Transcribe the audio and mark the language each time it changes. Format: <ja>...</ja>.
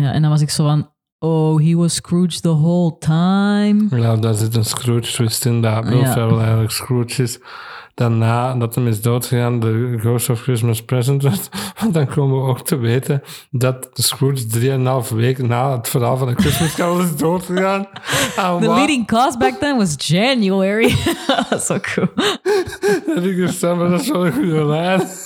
<nl>Ja, en dan was ik zo van...</nl> <en>Oh, he was Scrooge the whole time.</en> <nl>Ja, daar zit een Scrooge twist in. Dat Will Ferrell eigenlijk Scrooge is. Daarna, dat hem is doodgegaan, de Ghost of Christmas Present. Want dan komen we ook te weten dat Scrooge 3,5 weken na het verhaal van de Christmas Carol is doodgegaan.</nl> <en>Ah, the leading cause back then was January.</en> <nl>Dat is ook cool. Dat ik gestaan, maar dat is wel een goede lijn.</nl>